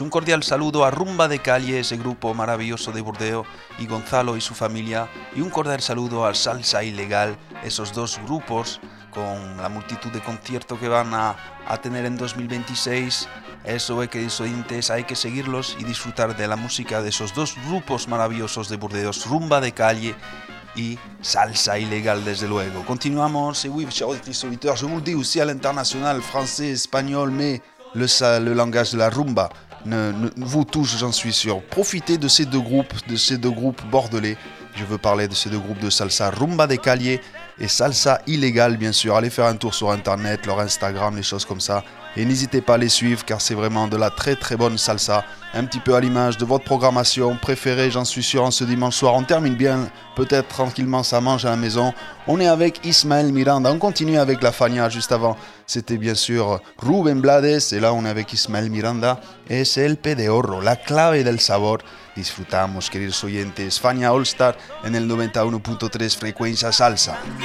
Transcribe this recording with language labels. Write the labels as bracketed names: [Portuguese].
[Spanish] Un cordial saludo a Rumba de Calle, ese grupo maravilloso de Bordeaux, y Gonzalo y su familia, y un cordial saludo a Salsa Ilegal, esos dos grupos, con la multitud de conciertos que van a tener en 2026. Eso es, queridos oyentes, hay que seguirlos y disfrutar de la música de esos dos grupos maravillosos de Burdeos, Rumba de Calle y Salsa Ilegal, desde luego. Continuamos. [French] Oui, chers auditeurs, je vous le dis aussi à l'international, français, espagnol, mais le langage de la rumba, vous touche, j'en suis sûr. Profitez de ces deux groupes bordelais. Je veux parler de ces deux groupes de salsa, Rumba de Calle et Salsa Ilegal, bien sûr. Allez faire un tour sur Internet, leur Instagram, les choses comme ça. Et n'hésitez pas à les suivre car c'est vraiment de la très très bonne salsa. Un petit peu à l'image de votre programmation préférée, j'en suis sûr, en ce dimanche soir. On termine bien, peut-être tranquillement, ça mange à la maison. On est avec Ismaël Miranda. On continue avec La Fania juste avant. C'était bien sûr Rubén Blades. Et là, on est avec Ismaël Miranda. Et c'est El Pe de Oro, la clave del sabor. [Spanish] Disfrutamos, queridos oyentes. Fania All Star en el 91.3 Frecuencia Salsa.